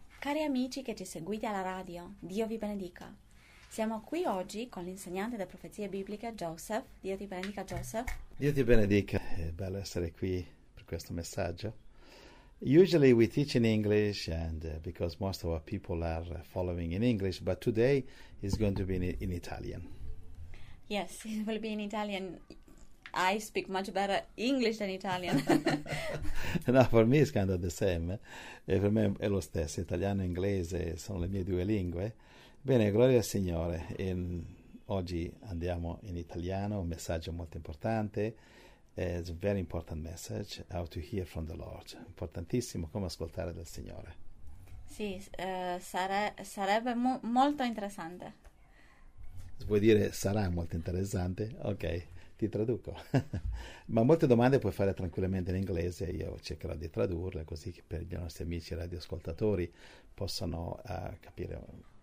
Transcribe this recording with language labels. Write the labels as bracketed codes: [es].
[it] Cari amici che ci seguite alla radio, Dio vi benedica. Siamo qui oggi con l'insegnante delle profezie bibliche, Joseph. Dio ti benedica, Joseph. Dio ti benedica, è bello essere qui per questo messaggio. [en] Usually we teach in English and because most of our people are following in English, but today it's going to be in Italian. Yes, it will be in Italian. I speak much better English than Italian. No, for me it's kind of the same. [it] E per me è lo stesso, italiano e inglese sono le mie due lingue. Bene, gloria al Signore. Oggi andiamo in italiano, un messaggio molto importante. [en] It's a very important message, how to hear from the Lord. [it] Importantissimo, come ascoltare dal Signore. Sì, sarebbe mo molto interessante. Vuoi dire sarà molto interessante? Ok, ti traduco. Ma molte domande puoi fare tranquillamente in inglese, io cercherò di tradurle così che per gli nostri amici radioascoltatori possano capire.